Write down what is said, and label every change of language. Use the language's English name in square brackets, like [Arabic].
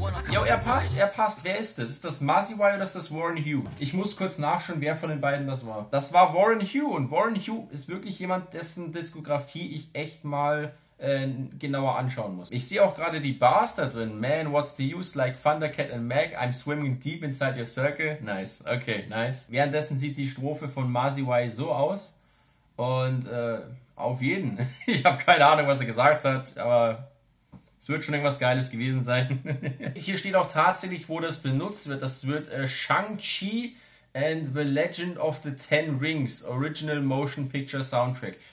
[German] Yo, er passt. Wer ist das? Ist das Masiwei oder ist das Warren Hugh? Ich muss kurz nachschauen, wer von den beiden das war. Das war Warren Hugh und Warren Hugh ist wirklich jemand, dessen Diskografie ich echt mal genauer anschauen muss. Ich sehe auch gerade die Bars da drin. [English] Man, what's the use? Like Thundercat and Mac, I'm swimming deep inside your circle. Nice, okay, nice. [German] Währenddessen sieht die Strophe von Masiwei so aus. Und auf jeden. Ich habe keine Ahnung, was er gesagt hat, aber es wird schon irgendwas Geiles gewesen sein. Hier steht auch tatsächlich, wo das benutzt wird. Das wird Shang-Chi and the Legend of the Ten Rings Original Motion Picture Soundtrack.